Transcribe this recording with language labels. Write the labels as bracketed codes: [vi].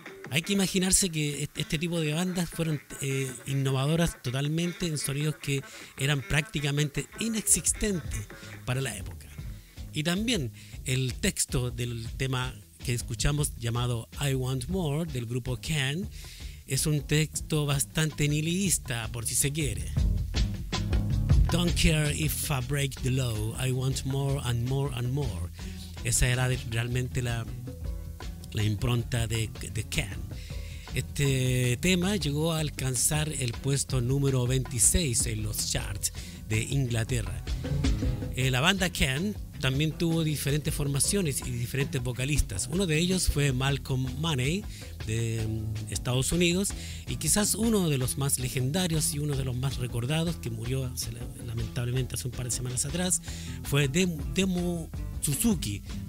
[es] Hay que imaginarse que este tipo de bandas fueron innovadoras totalmente en sonidos que eran prácticamente inexistentes para la época. Y también el texto del tema que escuchamos llamado I Want More del grupo Can es un texto bastante nihilista, por si se quiere. [en] Don't care if I break the law, I want more and more and more. [es] Esa era realmente la impronta de Can. Este tema llegó a alcanzar el puesto número 26 en los charts de Inglaterra. La banda Can también tuvo diferentes formaciones y diferentes vocalistas. Uno de ellos fue Malcolm Money, de Estados Unidos, y quizás uno de los más legendarios y uno de los más recordados, que murió lamentablemente hace un par de semanas atrás, fue Damo Suzuki.